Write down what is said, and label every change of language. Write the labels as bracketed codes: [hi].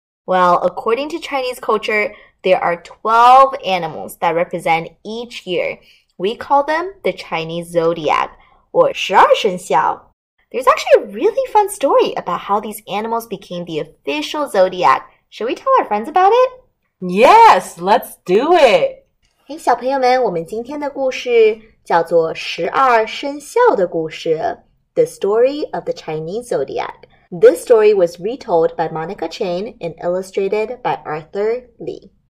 [en] Well, according to Chinese culture, there are 12 animals that represent each year. We call them the Chinese zodiac, or 十二生肖. There's actually a really fun story about how these animals became the official zodiac. Should we tell our friends about it? Yes, let's do it! [zh] Hey, 小朋友们,我们今天的故事叫做十二生肖的故事, [en] The Story of the Chinese Zodiac. This story was retold by Monica Chen and illustrated by Arthur Lee.